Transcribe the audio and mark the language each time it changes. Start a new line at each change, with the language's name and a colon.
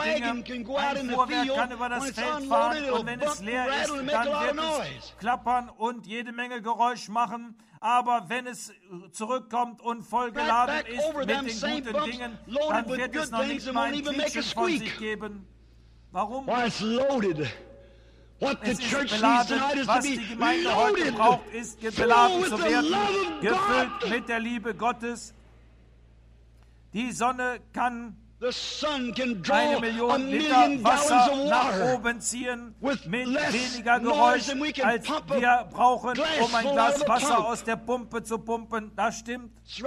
German: Ein Fuhrwerk kann über das Feld fahren und wenn es leer ist, dann wird es klappern und jede Menge Geräusch machen. Aber wenn es zurückkommt und vollgeladen ist mit den guten Dingen, dann wird es noch nicht mal ein Quietschen von sich geben. Warum?
English: What the church needs tonight is to be loaded,
German: gefüllt mit der Liebe Gottes. Die Sonne kann eine Million Liter Wasser nach oben ziehen mit weniger Geräusch, als wir brauchen, um ein Glas Wasser aus der Pumpe zu pumpen. Das stimmt.